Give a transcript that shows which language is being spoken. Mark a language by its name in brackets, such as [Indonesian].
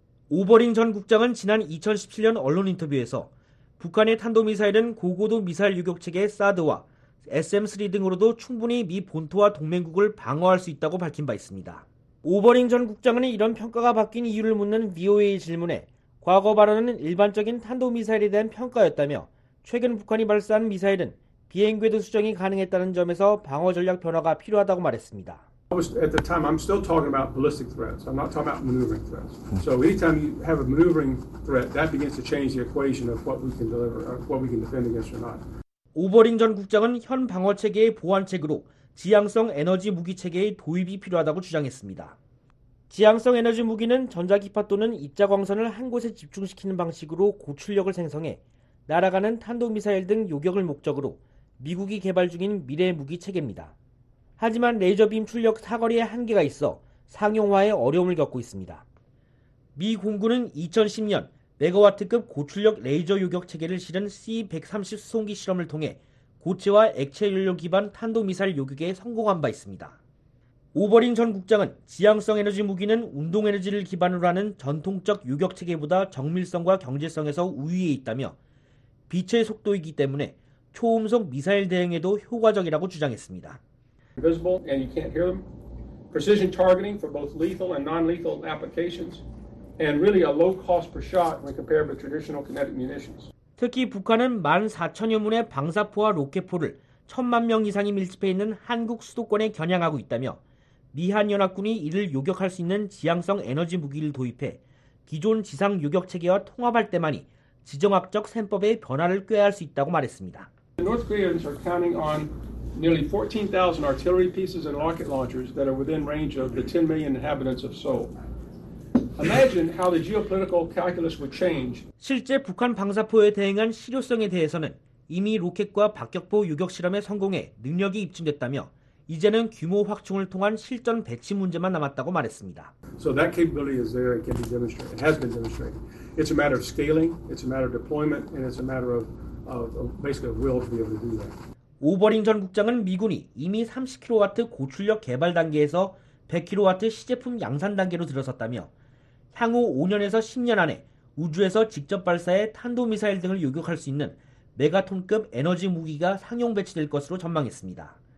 [Korean] 우버링 전 국장은 지난 2017년 언론 인터뷰에서 북한의 탄도미사일은 고고도 미사일 요격체계 사드와 SM-3 등으로도 충분히 미 본토와 동맹국을 방어할 수 있다고 밝힌 바 있습니다. 우버링 전 국장은 이런 평가가 바뀐 이유를 묻는 VOA 질문에 과거 발언은 일반적인 탄도미사일에 대한 평가였다며 최근 북한이 발사한 미사일은 비행궤도 수정이 가능했다는 점에서 방어 전략 변화가 필요하다고 말했습니다. [English] At the time, I'm still talking about ballistic threats. I'm not talking about maneuvering threats. So anytime you have a maneuvering threat, that begins to change the equation of what we can deliver, what we can defend against or not. [Korean] 우버링 전 국장은 현 방어 체계의 보완책으로 지향성 에너지 무기 체계의 도입이 필요하다고 주장했습니다. 지향성 에너지 무기는 전자기파 또는 입자 광선을 한 곳에 집중시키는 방식으로 고출력을 생성해 날아가는 탄도미사일 등 요격을 목적으로 미국이 개발 중인 미래 무기 체계입니다. 하지만 레이저빔 출력 사거리에 한계가 있어 상용화에 어려움을 겪고 있습니다. 미 공군은 2010년 메가와트급 고출력 레이저 요격 체계를 실은 C-130 수송기 실험을 통해 고체와 액체 연료 기반 탄도미사일 요격에 성공한 바 있습니다. 우버링 전 국장은 지향성 에너지 무기는 운동 에너지를 기반으로 하는 전통적 요격 체계보다 정밀성과 경제성에서 우위에 있다며 빛의 속도이기 때문에 초음속 미사일 대응에도 효과적이라고 주장했습니다. [English] Invisible and you can't hear them. Precision targeting for both lethal and non-lethal applications and really a low cost per shot when compared with traditional kinetic munitions. [Korean] 특히 북한은 14,000여 문의 방사포와 로켓포를 1,000만 명 이상이 밀집해 있는 한국 수도권에 겨냥하고 있다며 미한연합군이 이를 요격할 수 있는 지향성 에너지 무기를 도입해 기존 지상 요격체계와 통합할 때만이 지정학적 셈법의 변화를 꾀할 수 있다고 말했습니다. [English] North Koreans are counting on nearly 14,000 artillery pieces and rocket launchers that are within range of the 10 million inhabitants of Seoul. Imagine how the geopolitical calculus would change. [Korean] 실제 북한 방사포에 대응한 실효성에 대해서는 이미 로켓과 박격포 요격 실험에 성공해 능력이 입증됐다며 이제는 규모 확충을 통한 실전 배치 문제만 남았다고 말했습니다. [English] So that capability is there. It can be demonstrated. It has been demonstrated. It's a matter of scaling. It's a matter of deployment. And it's a matter of basically of will to be able to do that. [Korean] 오버링 전 국장은 미군이 이미 30kW 고출력 개발 단계에서 100kW 시제품 양산 단계로 들어섰다며 향후 5년에서 10년 안에 우주에서 직접 발사해 탄도미사일 등을 요격할 수 있는 메가톤급 에너지 무기가 상용 배치될 것으로 전망했습니다.